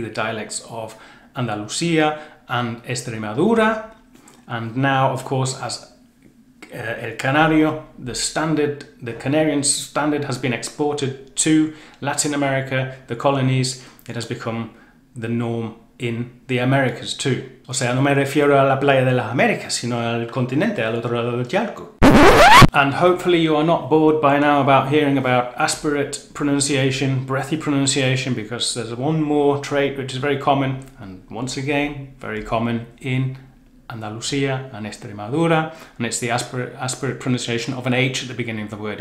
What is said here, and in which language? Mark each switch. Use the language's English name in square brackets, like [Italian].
[English] the dialects of Andalusia and Extremadura. And now, of course, as El Canario, the standard, the Canarian standard has been exported to Latin America, the colonies. It has become the norm in the Americas too. [Spanish] O sea, no me refiero a la playa de las Américas, sino al continente, al otro lado del charco. [English] And hopefully you are not bored by now about hearing about aspirate pronunciation, breathy pronunciation, because there's one more trait which is very common, and once again, very common in Andalusia and Extremadura, and it's the aspirate pronunciation of an H at the beginning of the word.